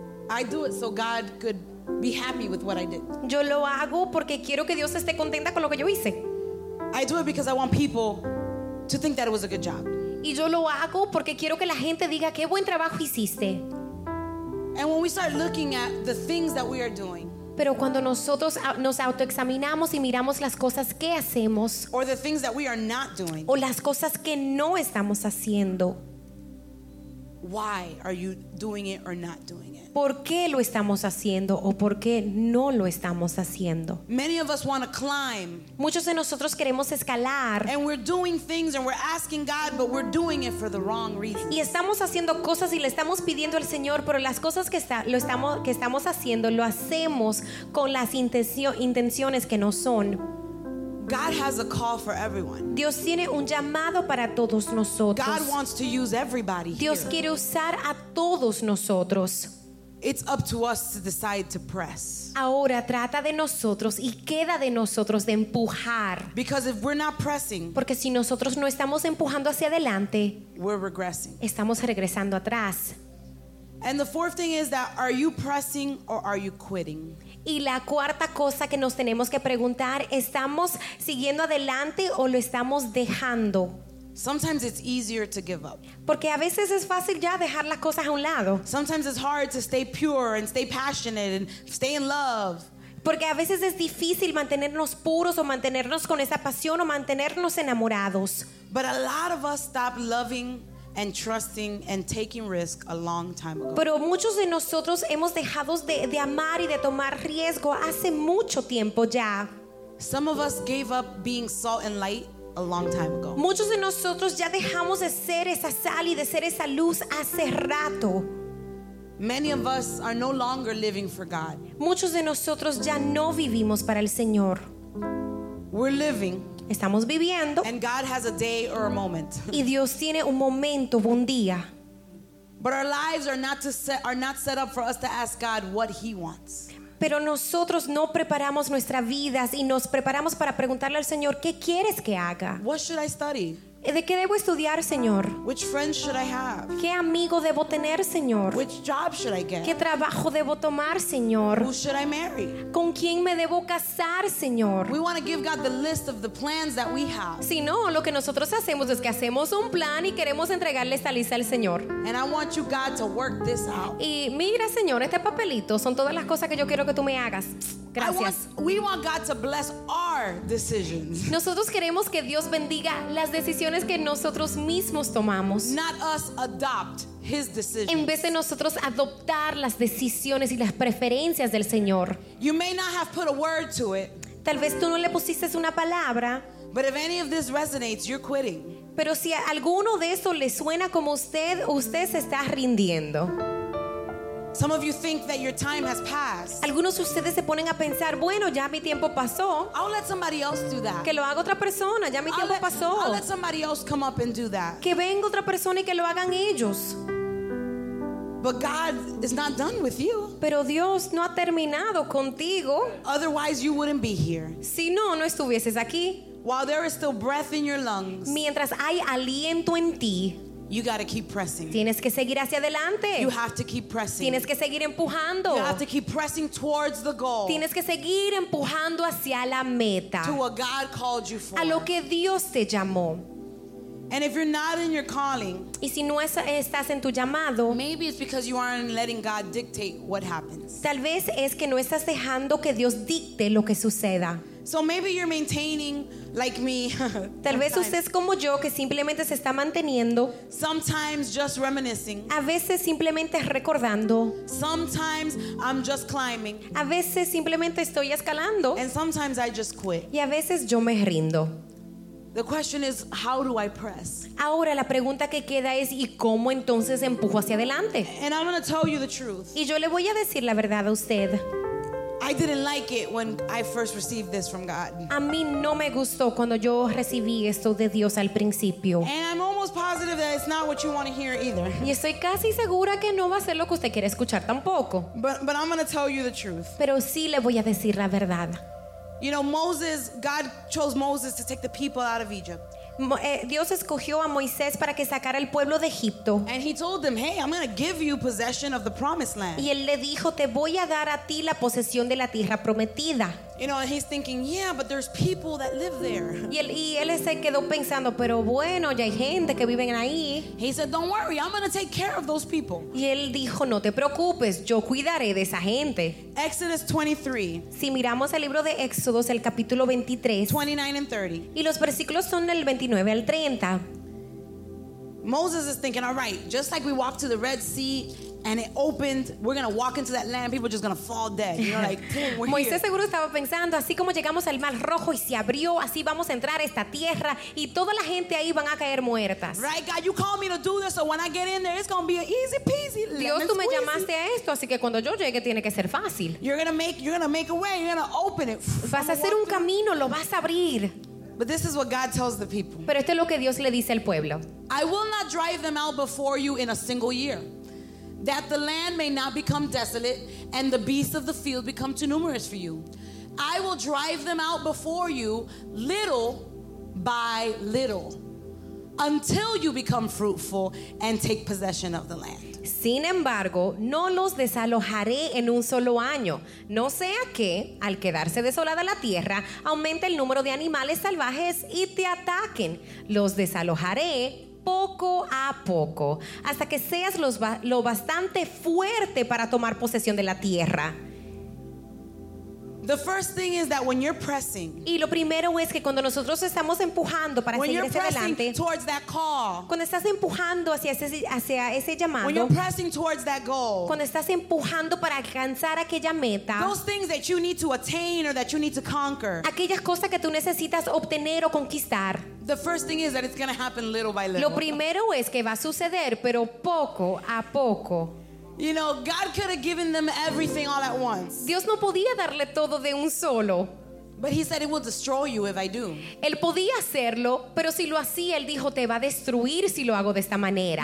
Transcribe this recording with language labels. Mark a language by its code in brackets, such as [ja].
[en] I do it so God could be happy with what I did. [es] Yo lo hago porque quiero que Dios esté contenta con lo que yo hice. [en] I do it because I want people to think that it was a good job. [es] Y yo lo hago porque quiero que la gente diga qué buen trabajo hiciste. [en] And when we start looking at the things that we are doing. [es] Pero cuando nosotros nos autoexaminamos y miramos las cosas que hacemos. [en] Or the things that we are not doing. [es] O las cosas que no estamos haciendo. [en] Why are you doing it or not doing it? [es] ¿Por qué lo estamos haciendo o por qué no lo estamos haciendo? [en] Many of us want to climb. [es] Muchos de nosotros queremos escalar. [en] And we're doing things and we're asking God, but we're doing it for the wrong reasons. [es] Y estamos haciendo cosas y le estamos pidiendo al Señor, pero las cosas que estamos haciendo lo hacemos con las intenciones que no son. [en] God has a call for everyone. [es] Dios tiene un llamado para todos nosotros. [en] God wants to use everybody. [es] Dios [en] here. [es] Quiere usar a todos nosotros. [en] It's up to us to decide to press. [es] Ahora trata de nosotros y queda de nosotros de empujar. [en] Because if we're not pressing, [es] porque si nosotros no estamos empujando hacia adelante, [en] we're regressing. [es] Estamos regresando atrás. [en] And the fourth thing is that are you pressing or are you quitting? [es] Y la cuarta cosa que nos tenemos que preguntar, ¿estamos siguiendo adelante o lo estamos dejando? [en] Sometimes it's easier to give up. [es] Porque a veces es fácil ya dejar las cosas a un lado. [en] Sometimes it's hard to stay pure and stay passionate and stay in love. [es] Porque a veces es difícil mantenernos puros o mantenernos con esa pasión o mantenernos enamorados. [en] But a lot of us stopped loving and trusting and taking risk a long time ago. [es] Pero muchos de nosotros hemos dejado de amar y de tomar riesgo hace mucho tiempo ya. [en] Some of us gave up being salt and light a long time ago. [es] Muchos de nosotros ya dejamos de ser esa sal y de ser esa luz hace rato. [en] Many of us are no longer living for God. [es] Muchos de nosotros ya no vivimos para el Señor. [en] We're living. [es] Estamos viviendo. [en] And God has a day or a moment. [es] Y Dios tiene un momento, un día. [en] But our lives are not set up for us to ask God what He wants. [es] Pero nosotros no preparamos nuestras vidas y nos preparamos para preguntarle al Señor, ¿qué quieres que haga? [en] What should I study? [es] ¿De qué debo estudiar, Señor? [en] Which friends should I have? [es] ¿Qué amigo debo tener, Señor? [en] Which job should I get? [es] ¿Qué trabajo debo tomar, Señor? [en] Who should I marry? [es] ¿Con quién me debo casar, Señor? [en] We want to give God the list of the plans that we have. [es] Si no, lo que nosotros hacemos es que hacemos un plan y queremos entregarle esta lista al Señor. [en] And I want you, God, to work this out. [es] Y mira, Señor, este papelito son todas las cosas que yo quiero que tú me hagas. Gracias. [en] We want God to bless our decisions. [es] Nosotros queremos que Dios bendiga las decisiones que nosotros mismos tomamos. [en] Not us adopt His decisions. [es] En vez de nosotros adoptar las decisiones y las preferencias del Señor. [en] You may not have put a word to it. [es] Tal vez tú no le pusiste una palabra. [en] But if any of this resonates, you're quitting. [es] Pero si alguno de eso le suena como usted se está rindiendo. [en] Some of you think that your time has passed. [es] Algunos de ustedes se ponen a pensar, bueno, ya mi tiempo pasó. [en] I'll let somebody else do that. [es] Que lo haga otra persona, ya mi tiempo pasó. [en] I'll let somebody else come up and do that. [es] Que venga otra persona y que lo hagan ellos. [en] But God is not done with you. [es] Pero Dios no ha terminado contigo. [en] Otherwise you wouldn't be here. [es] Si no, no estuvieses aquí. [en] While there is still breath in your lungs. [es] Mientras hay aliento en ti. [en] You got to keep pressing. [es] Tienes que seguir hacia adelante. [en] You have to keep pressing. [es] Tienes que seguir empujando. [en] You have to keep pressing towards the goal. [es] Tienes que seguir empujando hacia la meta. [en] To what God called you for. [es] A lo que Dios te llamó. [en] And if you're not in your calling, [es] y si no estás en tu llamado, [en] maybe it's because you aren't letting God dictate what happens. [es] Tal vez es que no estás dejando que Dios dicte lo que suceda. [en] So maybe you're maintaining like me. [es] Tal vez usted es como yo que simplemente se está manteniendo. [en] Sometimes just reminiscing. [es] A veces simplemente recordando. [en] Sometimes I'm just climbing. [es] A veces simplemente estoy escalando. [en] And sometimes I just quit. [es] Y a veces yo me rindo. [en] The question is, how do I press? [es] Ahora la pregunta que queda es, ¿y cómo entonces empujo hacia adelante? [en] And I'm going to tell you the truth. [es] Y yo le voy a decir la verdad a usted. [en] I didn't like it when I first received this from God. [es] A mí no me gustó cuando yo recibí esto de Dios al principio. [en] And I'm almost positive that it's not what you want to hear either. [es] Y estoy casi segura que no va a ser lo que usted quiere escuchar tampoco. [en] But I'm going to tell you the truth. [es] Pero sí le voy a decir la verdad. [en] You know, Moses, God chose Moses to take the people out of Egypt. [es] Dios escogió a Moisés para que sacara el pueblo de Egipto. [en] And he told them, hey, I'm going to give you possession of the promised land. [es] Y él le dijo, te voy a dar a ti la posesión de la tierra prometida. [en] You know, and he's thinking, yeah, but there's people that live there. [es] Y él se quedó pensando, pero bueno, ya hay gente que viven ahí. [en] He said, don't worry, I'm going to take care of those people. [es] Y él dijo, no te preocupes, yo cuidaré de esa gente. [en] Exodus 23. [es] Si miramos el libro de Éxodos, el capítulo 23. [en] 29 and 30. [es] Y los versículos son del 29 al 30. [en] Moses is thinking, all right, just like we walked to the Red Sea, and it opened, we're going to walk into that land, people are just going to fall dead, you know, like, boom, we're [es] Moisés [en] here. [es] Seguro estaba pensando, así como llegamos al Mar Rojo y se abrió, así vamos a entrar a esta tierra y toda la gente ahí van a caer muertas. [en] Right, God, you called me to do this, so when I get in there, it's going to be an easy peasy, lemon squeezy. [es] Dios, tú me llamaste a esto, así que cuando yo llegue tiene que ser fácil. [en] You're going to make a way, you're going to open it. [es] Vas a hacer un camino, lo vas a abrir. [en] But this is what God tells the people. [es] Pero esto es lo que Dios le dice al pueblo. [en] I will not drive them out before you in a single year. That the land may not become desolate and the beasts of the field become too numerous for you. I will drive them out before you little by little until you become fruitful and take possession of the land. [es] Sin embargo, no los desalojaré en un solo año. No sea que, al quedarse desolada la tierra, aumente el número de animales salvajes y te ataquen. Los desalojaré poco a poco, hasta que seas lo bastante fuerte para tomar posesión de la tierra. [en] The first thing is that when you're pressing, [es] y lo primero es que cuando nosotros estamos empujando para seguir hacia adelante, [en] towards that call, [es] cuando estás empujando hacia ese llamado, [en] when you're pressing towards that goal, [es] cuando estás empujando para alcanzar aquella meta, [en] those things that you need to attain or that you need to conquer, [es] aquellas cosas que tú necesitas obtener o conquistar, [en] the first thing is that it's going to happen little by little. [es] Lo primero es que va a suceder, pero poco a poco. [en] You know, God could have given them everything all at once. [es] Dios no podía darle todo de un solo. [en] But he said it will destroy you if I do. [es] Él podía hacerlo, pero si lo hacía, él dijo, te va a destruir si lo hago de esta manera.